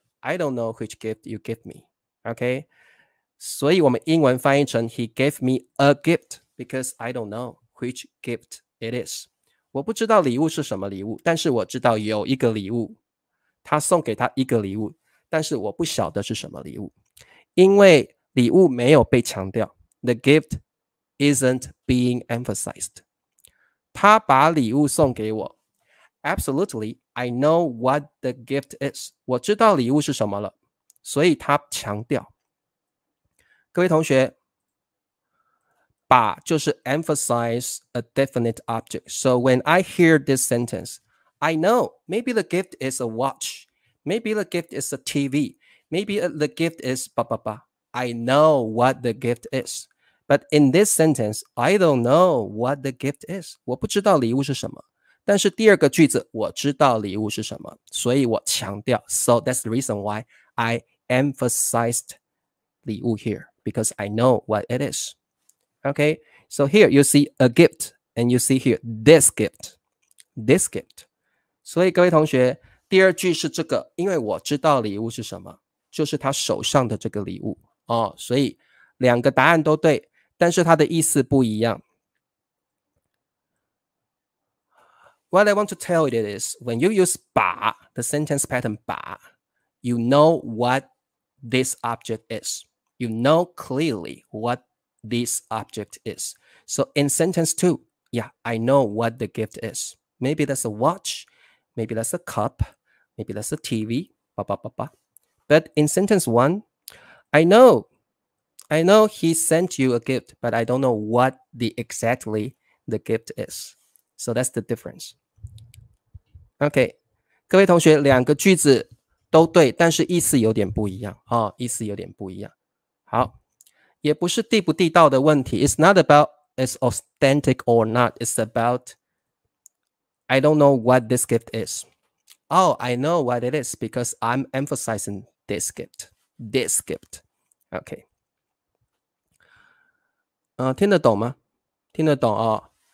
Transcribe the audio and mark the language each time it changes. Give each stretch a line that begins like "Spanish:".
English: I don't know which gift you give me. Okay.
Chinese: 所以我们英文翻译成
English: he gave me a gift because I don't know which gift it is.
Chinese: 我不知道礼物是什么礼物，但是我知道有一个礼物，他送给他一个礼物。但是我不晓得是什么礼物，因为礼物没有被强调 ，
English: the gift isn't being emphasized。
Chinese: 他把礼物送给我。
English: Absolutely, I know what the gift is.
Chinese: 我知道礼物是什么了。所以他强调。各位同学，把就是
English: emphasize a definite object. So when I hear this sentence, I know maybe the gift is a watch. Maybe the gift is a TV. Maybe the gift is blah, blah, blah. I know what the gift is. But in this sentence, I don't know what the gift is.
Chinese: 我不知道礼物是什么。但是第二个句子我知道礼物是什么，所以我强调。
English: So that's the reason why I emphasized 礼物 here, because I know what it is. Okay, so here you see a gift, and you see here this gift, this gift.
Chinese: 所以各位同学，第二句是这个，因为我知道礼物是什么，就是他手上的这个礼物哦。所以两个答案都对，但是它的意思不一样。
English: What I want to tell you is, when you use 把, the sentence pattern 把, you know what this object is. You know clearly what this object is. So in sentence 2, yeah, I know what the gift is. Maybe that's a watch, maybe that's a cup, maybe that's a TV, blah, blah, blah, blah. But in sentence 1, I know he sent you a gift, but I don't know what the exactly the gift is. So that's the difference.
Chinese: OK, 各位同学，两个句子都对，但是意思有点不一样、哦、意思有点不一样。好，也不是地不地道的问题。
English: It's not about it's authentic or not. It's about I don't know what this gift is. Oh, I know what it is because I'm emphasizing this gift. This gift.
Chinese: OK、听得懂吗？听得懂哦。